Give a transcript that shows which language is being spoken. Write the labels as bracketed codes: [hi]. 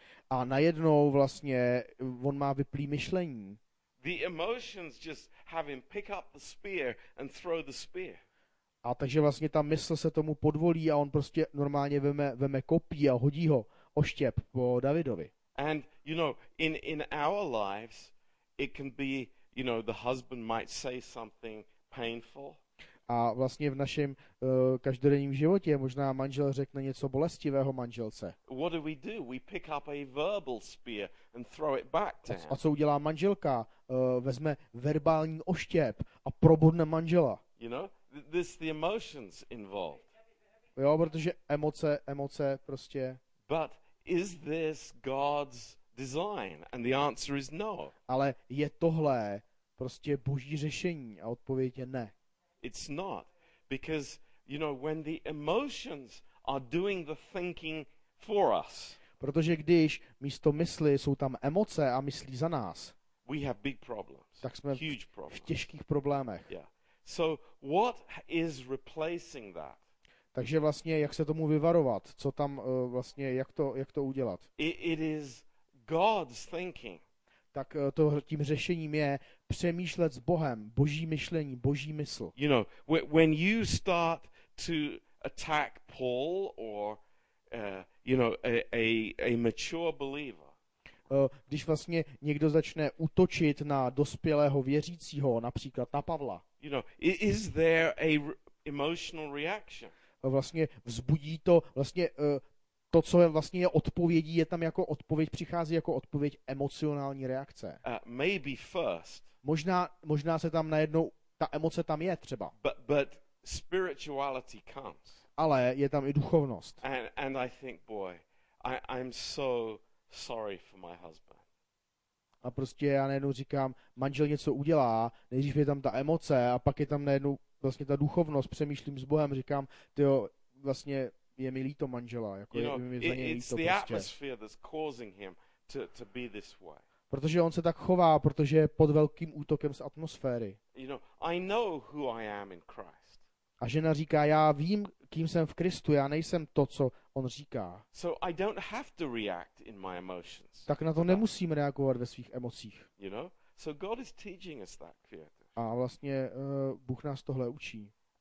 [cs] A najednou vlastně on má vyplý myšlení. [en] The emotions just have him pick up the spear and throw the spear. [cs] A takže vlastně ta mysl se tomu podvolí a on prostě normálně veme kopí a hodí ho oštěp po Davidovi. [en] And you know, in our lives it can be, you know, the husband might say something painful. [cs] A vlastně v našem každodenním životě možná manžel řekne něco bolestivého manželce. [en] What do? We pick up a verbal spear and throw it back to him. [cs] A co udělá manželka? Vezme verbální oštěp a probodne manžela. [en] You know, this is the emotions involved. [cs] Jo, protože emoce prostě. [en] But is this God's design? And the answer is no. [cs] Ale je tohle prostě boží řešení a odpověď je ne. [en] It's not, because you know when the emotions are doing the thinking for us. [cs] Protože když místo mysli jsou tam emoce a myslí za nás. [en] We have big problems. [cs] Tak jsme [en] huge [cs] v těžkých problémech. [en] Yeah. So what is replacing that? [cs] Takže vlastně jak se tomu vyvarovat? Co tam vlastně jak to udělat? [en] It is God's thinking. [cs] Tak to tím řešením je přemýšlet s Bohem, boží myšlení, boží mysl. [en] You know, when you start to attack Paul or you know, a mature believer. [cs] Když vlastně někdo začne útočit na dospělého věřícího, například na Pavla. [en] You know, is there a emotional reaction? [cs] Vlastně vzbudí to, vlastně to, co je vlastně je odpovědí, je tam jako odpověď, přichází jako odpověď emocionální reakce. [en] Maybe first. [cs] Možná se tam najednou, ta emoce tam je třeba. [en] But spirituality comes. [cs] Ale je tam i duchovnost. [en] And I think, boy, I'm so sorry for my husband. [cs] A prostě já najednou říkám, manžel něco udělá, nejdřív je tam ta emoce a pak je tam najednou vlastně ta duchovnost, přemýšlím s Bohem, říkám, tyjo, vlastně je mi líto manžela, jako [en] you know, [cs] je mi za něj líto [en] the [cs] prostě. [en] Atmosphere that's causing him to be this way. [cs] Protože on se tak chová, protože je pod velkým útokem z atmosféry. [en] You know, I know who I am in Christ. [cs] A žena říká, já vím, kým jsem v Kristu, já nejsem to, co on říká. [en] So I don't have to react in my emotions. [cs] Tak na to nemusím reagovat ve svých emocích. [en] You know? So God is teaching us that fear. [cs] A vlastně Bůh nás tohle učí.